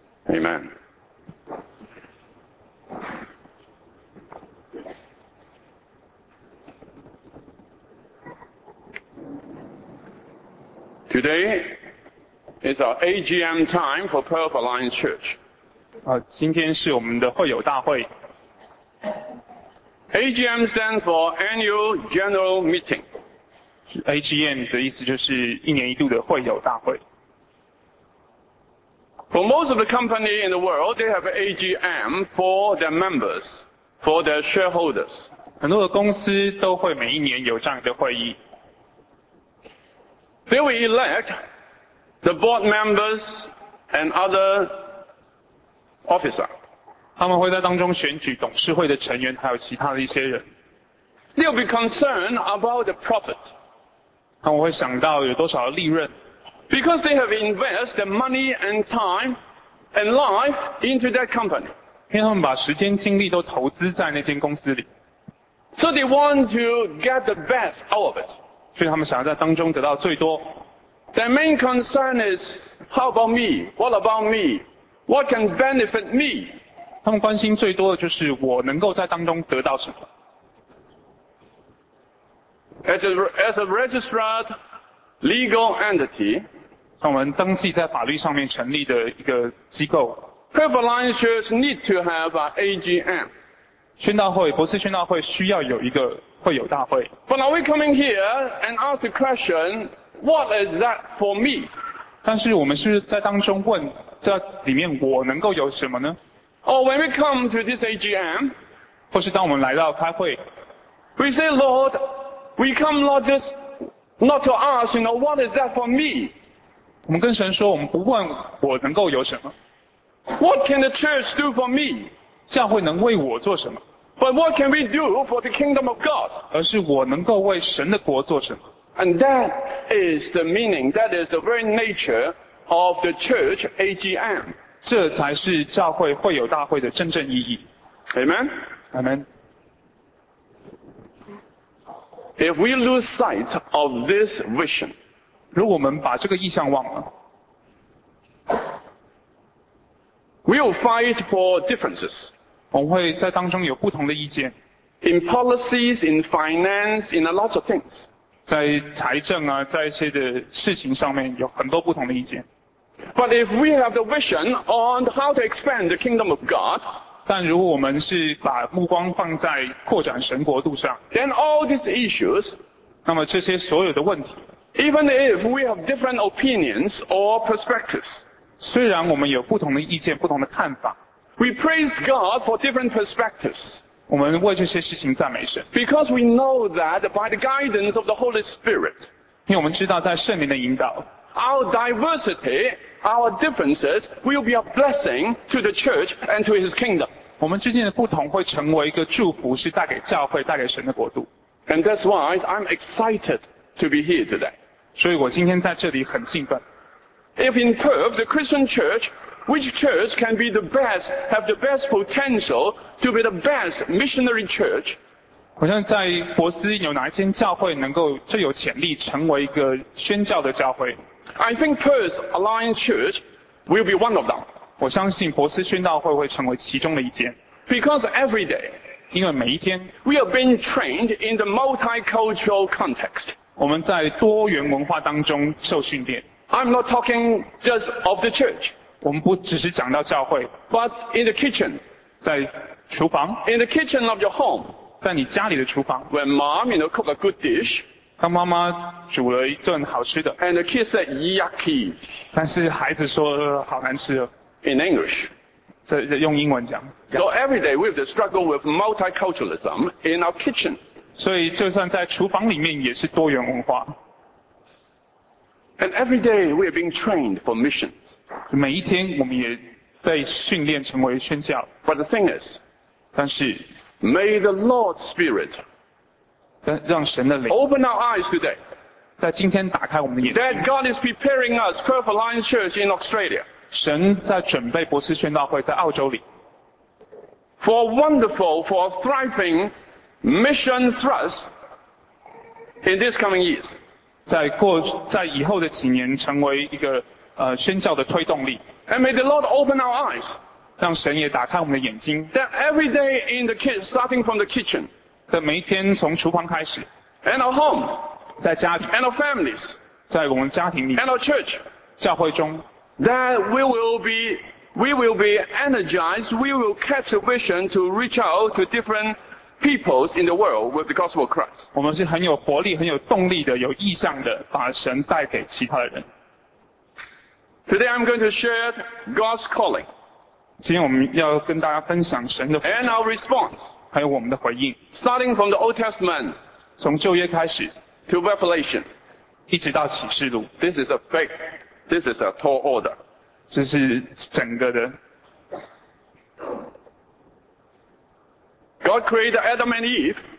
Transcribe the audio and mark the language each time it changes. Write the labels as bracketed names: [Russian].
[English] Amen. Today is our AGM time for Perth Alliance Church. [Chinese] 今天是我们的会友大会。 [English] AGM stands for Annual General Meeting. [Chinese] AGM 的意思就是一年一度的会友大会。 [English] For most of the company in the world, they have AGM for their members, for their shareholders. [Chinese] 很多的公司都会每一年有这样的会议。 [English] They will elect the board members and other. Officer. [Chinese] 他们会在当中选举董事会的成员还有其他的一些人。 [English] They'll be concerned about the profit. [Chinese] 他们会想到有多少的利润。 [English] Because they have invested their money and time and life into that company. [Chinese] 因为他们把时间精力都投资在那间公司里。 [English] So they want to get the best out of it. [Chinese] 所以他们想要在当中得到最多。 [English] Their main concern is, how about me? What about me? What can benefit me? [Chinese] 他们关心最多的就是我能够在当中得到什么。 [English] As a registered legal entity, [Chinese] 我们登记在法律上面成立的一个机构。 [English] Perth Alliance Church need to have an AGM. [Chinese] 宣道会，博士宣道会需要有一个会有大会。 [English] But are we coming here and ask the question, what is that for me? [Chinese] 但是我们是在当中问，在里面我能够有什么呢？ [English] Or when we come to this AGM, [Chinese] 或是当我们来到开会， [English] we say, Lord, we come not just not to ask, you know, what is that for me? [Chinese] 我们跟神说，我们不问我能够有什么。 [English] What can the church do for me? [Chinese] 教会能为我做什么？ [English] But what can we do for the kingdom of God? [Chinese] 而是我能够为神的国做什么。 [English] And that is the meaning, that is the very nature of the church AGM. [Chinese] 这才是教会会有大会的真正意义。 [English] Amen? Amen. If we lose sight of this vision, [Chinese] 如果我们把这个意象忘了， [English] we will fight for differences. [Chinese] 我们会在当中有不同的意见。 [English] In policies, in finance, in a lot of things. [Chinese] 在财政啊，在一些的事情上面有很多不同的意见。 [English] But if we have the vision on how to expand the kingdom of God, [Chinese] 但如果我们是把目光放在扩展神国度上， [English] then all these issues, [Chinese] 那么这些所有的问题， [English] even if we have different opinions or perspectives, [Chinese] 虽然我们有不同的意见，不同的看法， [English] We praise God for different perspectives. [Chinese] 我们为这些事情赞美神。 [English] Because we know that by the guidance of the Holy Spirit, [Chinese] 因为我们知道在圣灵的引导， [English] our diversity, our differences will be a blessing to the church and to His kingdom. [Chinese] 我们之间的不同会成为一个祝福，是带给教会，带给神的国度。 [English] And that's why I'm excited to be here today. [Chinese] 所以我今天在这里很兴奋。 [English] If in Perth, the Christian church,Which church can be the best, have the best potential to be the best missionary church? [Chinese] 好像在博斯有哪一间教会能够最有潜力成为一个宣教的教会？ [English] I think Perth Alliance Church will be one of them. [Chinese] 我相信博斯宣道会会成为其中的一间。 [English] Because every day, [Chinese] 因为每一天， [English] we are being trained in the multicultural context. [Chinese] 我们在多元文化当中受训练。 [English] I'm not talking just of the church. [Chinese] 我们不只是讲到教会， [English] But in the kitchen, [Chinese] 在厨房， [English] in the kitchen of your home, [Chinese] 在你家里的厨房， [English] when mom, you know, cook a good dish, [Chinese] 当妈妈煮了一顿好吃的， [English] and the kids said yucky, [Chinese] 但是孩子说好难吃哦， [English] in English, [Chinese] 在用英文讲。 [English] So every day we have to struggle with multiculturalism in our kitchen. [Chinese] 所以就算在厨房里面也是多元文化。 [English] And every day we are being trained for mission. [Chinese] 每一天我们也被训练成为宣教。 [English] But the thing is, [Chinese] 但是 [English] May the Lord's Spirit [Chinese] 让神的灵 [English] Open our eyes today, [Chinese] 在今天打开我们的眼睛。 [English] That God is preparing us, Perth Alliance Church in Australia. [Chinese] 神在准备博斯宣道会在澳洲里。 [English] For a wonderful, for a thriving mission thrust in these coming years. [Chinese] 在以后的几年成为一个宣教的推动力。 [English] And may the Lord open our eyes. [Chinese] 让神也打开我们的眼睛。 [English] That every day in the kitchen, starting from the kitchen. [Chinese] 在每一天从厨房开始。 [English] And our home. [Chinese] 在家里。 [English] And our families. [Chinese] 在我们家庭里。 [English] And our church. [Chinese] 教会中。 [English] That we will be energized, we will catch a vision to reach out to different peoples in the world with the gospel of Christ. [Chinese] 我们是很有活力，很有动力的，有意向的，把神带给其他的人。 [English] Today I'm going to share God's calling. [Chinese] 今天我们要跟大家分享神的呼召。 [English] And our response. [Chinese] 还有我们的回应。 [English] Starting from the Old Testament. [Chinese] 从旧约开始。 [English] To Revelation. [Chinese] 一直到启示录。 [English] This is a tall order. [Chinese] 这是整个的。 [English] God created Adam and Eve.